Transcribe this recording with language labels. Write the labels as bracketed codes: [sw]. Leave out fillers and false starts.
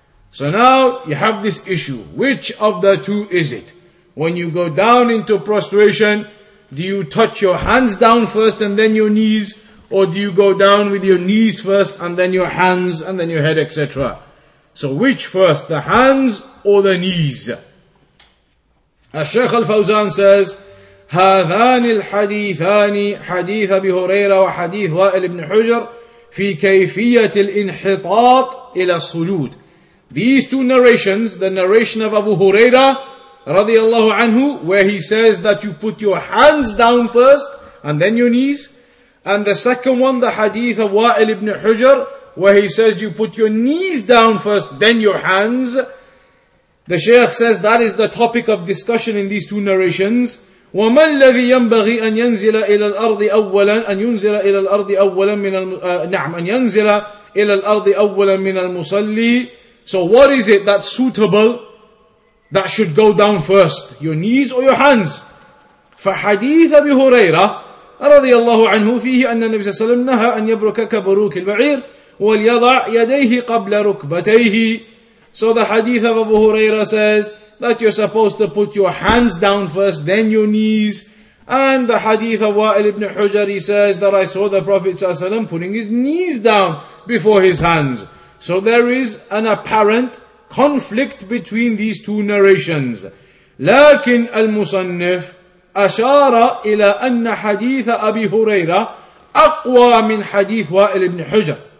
[en] So now you have this issue. Which of the two is it? When you go down into prostration, do you touch your hands down first and then your knees? Or do you go down with your knees first and then your hands and then your head, etc.? So which first, the hands or the knees? As Shaykh Al-Fawzan says, [ar] هذان الحديثان حديث أبي هريرة وحديث وائل بن حجر في كيفية الانحطاط إلى السجود. [en] These two narrations, the narration of Abu Huraira رضي الله عنه, where he says that you put your hands down first and then your knees, and the second one, the hadith of وائل بن حجر, where he says you put your knees down first then your hands, the Shaykh says that is the topic of discussion in these two narrations. [ar] وما الذي ينبغي أن ينزل إلى الأرض أولا أن ينزل إلى الأرض أولا من نعم أن ينزل إلى الأرض أولا من المصلي. [en] So what is it that's suitable that should go down first, your knees or your hands? [ar] فحديث أبي هريرة رضي الله عنه فيه أن النبي صلى الله عليه وسلم نهى أن يبرك كبروك البعير وليضع يديه قبل ركبتيه. [en] So the hadith of Abu Huraira says that you're supposed to put your hands down first, then your knees. And the hadith of Wa'il ibn Hujari says that I saw the Prophet ﷺ putting his knees down before his hands. So there is an apparent conflict between these two narrations. [ar] لكن المصنف أشار إلى أن حديث أبي هريرة أقوى من حديث وائل بن حجر.